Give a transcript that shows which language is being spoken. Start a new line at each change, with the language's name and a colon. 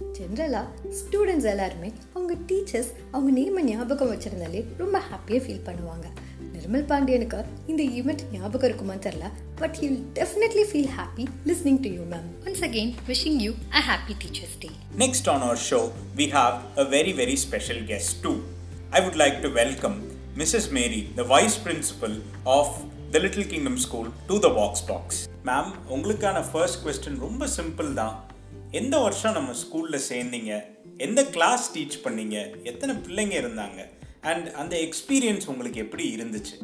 Tamil: ஜென்ரலாக ஸ்டூடெண்ட்ஸ் எல்லாருமே அவங்க டீச்சர்ஸ் அவங்க நேமை ஞாபகம் வச்சுருந்தாலே ரொம்ப ஹாப்பியாக ஃபீல் பண்ணுவாங்க. நிர்மல் பாண்டியனுக்கு இந்த ஈவெண்ட் ஞாபகம் இருக்குமா தெரில,
English: But you definitely feel happy listening to you ma'am. Once again wishing you a happy teachers day. Next on our show we have a very very special guest too. I would like to welcome Mrs. Mary, the Vice Principal of the Little Kingdom School, to the Vox Box.
Tamil: Ma'am, உங்களுக்கான first question ரொம்ப simple தான். எந்த வருஷம் நம்ம ஸ்கூலில் சேர்ந்தீங்க, எந்த class teach பண்ணீங்க, எத்தனை பிள்ளைங்க இருந்தாங்க, அண்ட் அந்த எக்ஸ்பீரியன்ஸ் உங்களுக்கு எப்படி இருந்துச்சு?